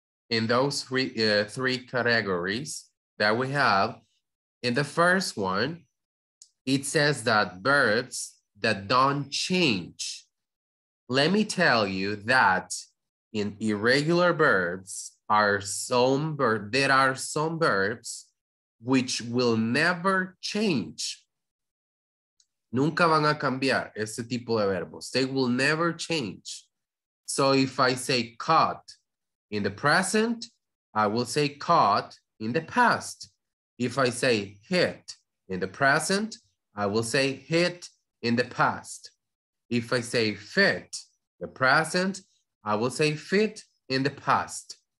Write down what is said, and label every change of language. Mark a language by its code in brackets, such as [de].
[en] In those three categories that we have, in the first one, it says that verbs that don't change. Let me tell you that in irregular verbs there are some verbs which will never change. [es] Nunca van a cambiar ese tipo de verbos. [en] They will never change. So if I say caught in the present, I will say caught in the past. If I say hit in the present, I will say hit in the past. If I say fit the present, I will say fit in the past.